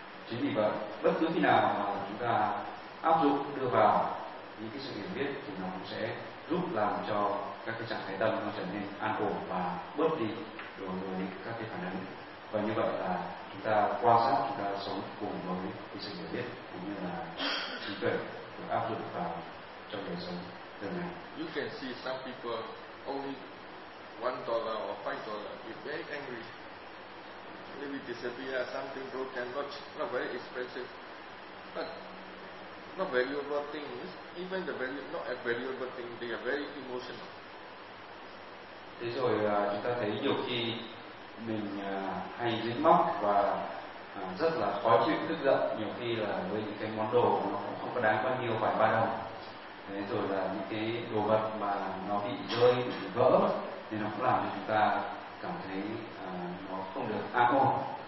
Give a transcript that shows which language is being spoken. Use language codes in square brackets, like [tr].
[vi] Chính vì vậy, bất cứ khi nào mà chúng ta áp dụng đưa vào những cái sự hiểu biết thì nó cũng sẽ giúp làm cho các cái trạng thái tâm nó trở nên an ổn và bớt đi đối với các cái phản ứng. Và như vậy là chúng ta quan sát, chúng ta sống cùng với cái sự hiểu biết cũng như là trí tuệ được áp dụng vào trong đời sống. [en] You can see some people only $1 or $5 get very angry. Maybe disappear, something broken, not very expensive, but not valuable things. Even the value, not a valuable thing, they are very emotional. [vi] Thế rồi chúng ta thấy nhiều khi mình hay dính mắc và rất là khó chịu, tức giận. Nhiều khi là với những cái món đồ nó cũng không có đáng bao nhiêu, vài ba đồng. Thế rồi là những cái đồ vật mà nó bị rơi, bị vỡ thì nó cũng làm cho chúng ta cảm thấy nó không được an ổn.